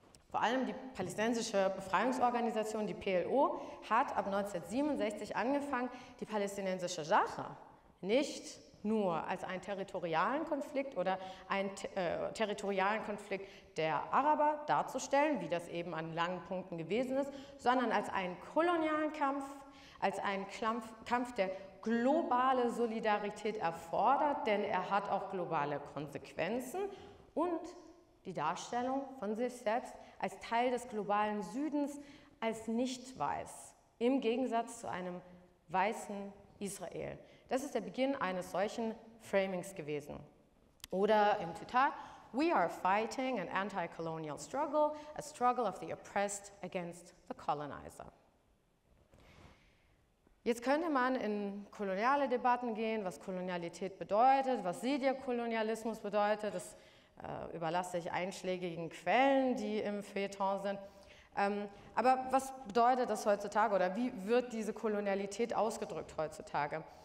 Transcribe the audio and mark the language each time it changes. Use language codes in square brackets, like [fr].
[de] Vor allem die palästinensische Befreiungsorganisation, die PLO, hat ab 1967 angefangen, die palästinensische Sache nicht nur als einen territorialen Konflikt oder einen territorialen Konflikt der Araber darzustellen, wie das eben an langen Punkten gewesen ist, sondern als einen kolonialen Kampf, als einen Kampf, der globale Solidarität erfordert, denn er hat auch globale Konsequenzen und die Darstellung von sich selbst als Teil des globalen Südens, als nicht weiß, im Gegensatz zu einem weißen Israel. Das ist der Beginn eines solchen Framings gewesen. Oder im Zitat, [en] we are fighting an anti-colonial struggle, a struggle of the oppressed against the colonizer. [de] Jetzt könnte man in koloniale Debatten gehen, was Kolonialität bedeutet, was Siedierkolonialismus bedeutet. Das überlasse ich einschlägigen Quellen, die im Feuilleton sind. Aber was bedeutet das heutzutage oder wie wird diese Kolonialität ausgedrückt heutzutage?